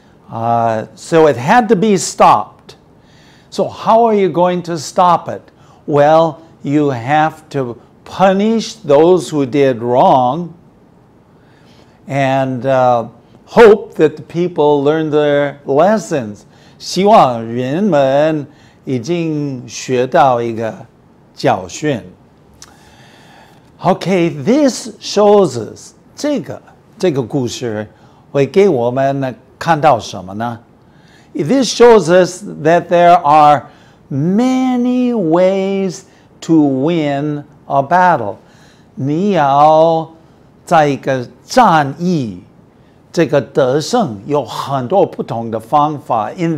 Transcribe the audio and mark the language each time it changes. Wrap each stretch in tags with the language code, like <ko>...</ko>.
<en>So it had to be stopped. So how are you going to stop it? Well, you have to punish those who did wrong and hope that the people learn their lessons.</en> <zh>希望人们已经学到一个教训。</zh> <en>Okay, this shows us,</en> <zh>这个故事会给我们看到什么呢?</zh> <en>This shows us that there are many ways to win a battle.</en> <zh>你要在一个战役这个得胜有很多不同的方法。</zh>